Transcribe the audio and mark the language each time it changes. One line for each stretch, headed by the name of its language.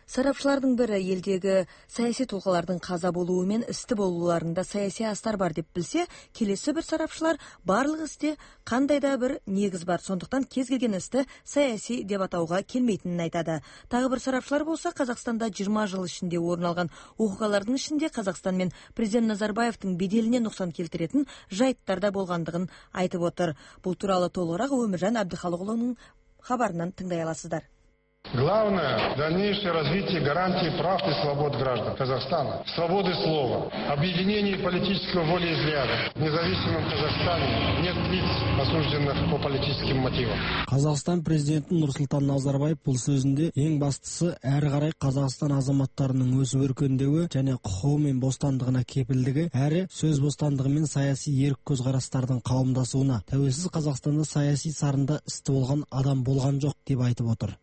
Kazakh: Сарапшылардың бірі елдегі саяси тұлғалардың қаза болуы мен істі болуларында саяси астар бар деп білсе, келесі бір сарапшылар барлық істе қандай да бір негіз бар, сондықтан кез келген істі саяси деп атауға келмейтінін айтады. Тағы бір сарапшылар болса, Қазақстанда 20 жыл ішінде орын алған оқиғалардың ішінде Қазақстан мен президент Назарбаевтың беделіне нұқсан келтіретін жайттар да болғандығын айтып отыр. Бұл туралы толығырақ Өміржан Абдыхалықұлының хабарынан тыңдай аласыздар.
Russian: Главное – дальнейшее развитие гарантии прав и свобод граждан Казахстана, свободы слова, объединение политического волеизъявления. В независимом Казахстане нет лиц, осужденных по политическим мотивам.
Kazakh: Казахстан президенті Нұрсұлтан Назарбаев бұл сөзінде ең бастысы әрі қарай Қазақстан азаматтарының өсіп өркендеуі және құқығы мен бостандығына кепілдігі, әрі сөз бостандығы мен саяси ерік көзқарастардың қауымдасуына, тәуелсіз Қазақстанда саяси сарында істі болған адам болған жоқ деп айтып отыр.